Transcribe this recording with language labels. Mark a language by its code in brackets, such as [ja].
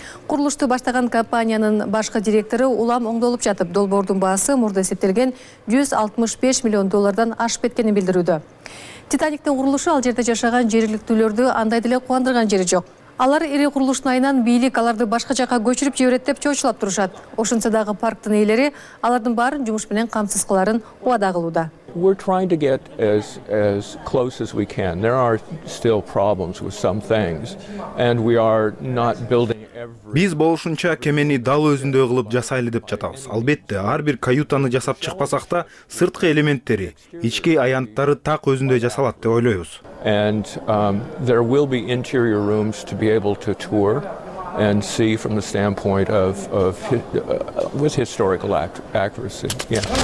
[ky] Курулушту баштаган компаниянын башкы директору улам оңдолуп жатып, долбоордун баасы мурда эсептелген 165 миллион доллардан ашып кеткенин билдирүүдө. Титаниктин курулушу ал жерде жашаган жергиликтүүлөрдү андай деле кубандырган жери жок. Алар ири курулуштун айынан бийлик аларды башка жака көчүрүп жиберет деп чоочулап турушат. Ошентсе дагы парктын ээлери алардын баарын жумуш менен камсыз кыларын убада кылууда. [en] We're trying to get as close as we can. There are still problems with some things and we are not building every. [ky] Биз болушунча кемени дал өзүндөй кылып жасайлы деп жатабыз. Албетте, ар бир каютаны жасап чыкпасак да, сырткы элементтери, ички аянттары так өзүндөй жасалат деп ойлойбуз. [en] And there will be interior rooms to be able to tour and see from the standpoint of with historical accuracy. Yeah.